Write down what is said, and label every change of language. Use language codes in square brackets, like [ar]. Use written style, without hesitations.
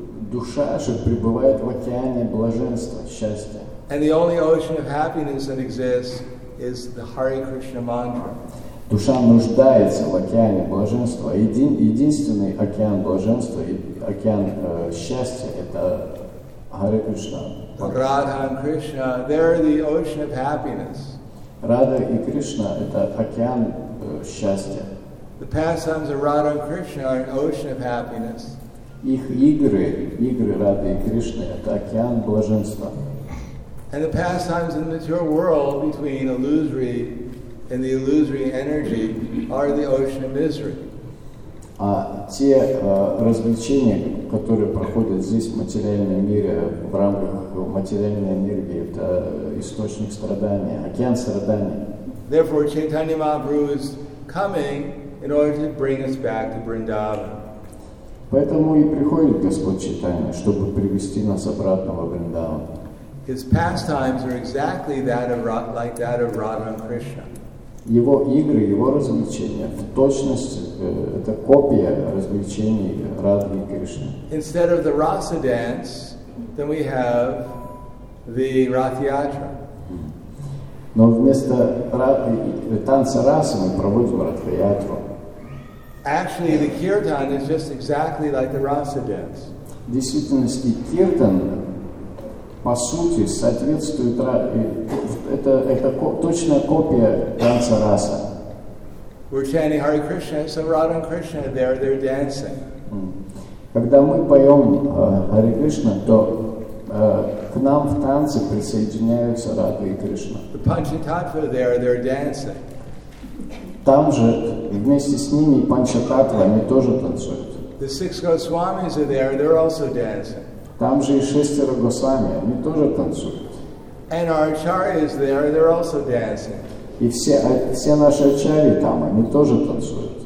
[ru] Душа же пребывает в океане блаженства, счастья. [en] And the only ocean of happiness that exists is the Hare Krishna mantra. [ru] Душа нуждается в океане блаженства. Единственный океан блаженства и океан счастья – это Hare Krishna. [en] Radha and Krishna, they're the ocean of happiness. [ru] Radha и Krishna – это океан счастья. [en] The pastimes of Radha and Krishna are an ocean of happiness. [ru] Их игры Рады и Кришны, это океан блаженства. [en] And the pastimes in the material world between illusory and the illusory energy are the ocean of misery. [ru] А те развлечения, которые проходят здесь, в материальном мире, в рамках материальной энергии, это источник страдания, океан страдания. [en] Therefore, Chaitanya Mahaprabhu is coming in order to bring us back to Vrindavan. [ru] Поэтому и приходит Господь Чайтанья, чтобы привести нас обратно во Вриндаван. [en] His pastimes are exactly that of like that of Radha and Krishna. [ru] Его игры, его развлечения в точности это копия развлечений Радхи и Кришны. [en] Instead of the rasa dance, then we have the Rathyatra. [ru] Но вместо танца расы мы проводим Рат-Ха-Ятру. [en] Actually, the kirtan is just exactly like the rasa dance. [ru] В действительности киртан по сути соответствует это точная копия танца раса. [en] We're chanting Hare Krishna, so Radha and Krishna they're dancing. [ru] Когда мы поем Hare Krishna, то к нам в танце присоединяются Радха и Кришна. [en] The Panchatattva they're dancing. [ru] Там же вместе с ними Панчататва они тоже танцуют. [en] The six Goswamis are there, they're also dancing. [ru] Там же и шестеро Госвами, они тоже танцуют. [en] And our Acharya is there, they're also dancing. [ru] И все наши Ачарьи там, они тоже танцуют.